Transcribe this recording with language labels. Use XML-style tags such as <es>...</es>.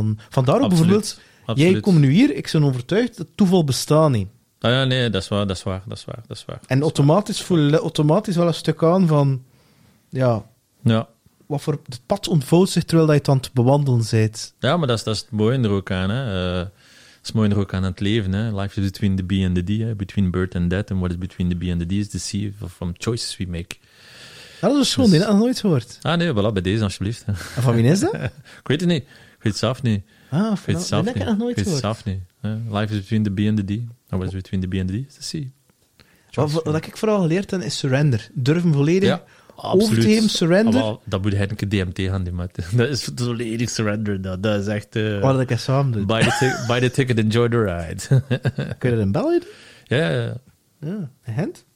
<nl>Vandaar ook bijvoorbeeld, jij komt nu hier, ik ben overtuigd dat toeval bestaat niet. Ah ja, nee, dat is waar. En automatisch voel je wel een stuk aan van... Ja. Ja. Wat voor het pad ontvouwt zich terwijl je het aan het bewandelen bent. Ja, maar dat is het mooie er ook aan. Hè. Dat is het mooie er ook aan het leven. Hè.</nl> <en>Life is between the B and the D. Hè. Between birth and death. And what is between the B and the D is the C from choices we make.</en> <nl>Dat is een schoon, dus... dat nooit gehoord. Ah nee, voilà, bij deze alsjeblieft. En van wie is dat? Ik weet het niet. Ik weet het zelf niet. Ah, van wie is dat? Ik weet het zelf niet.</nl> <en>Life is between the B and the D. And what is between the B and the D is the C.</en> <nl>Wat ik vooral geleerd heb, is surrender. Durven volledig... Ja. Absoluut. Over team surrender. Allo, dat moet je een keer DMT gaan doen, maat. Dat is volledig surrender. Dat is echt... Wat ik eens samen doe.</nl> <en>Buy the ticket, enjoy the ride.</en> <nl>Kun je dat in België doen? Ja. Een hand?</nl>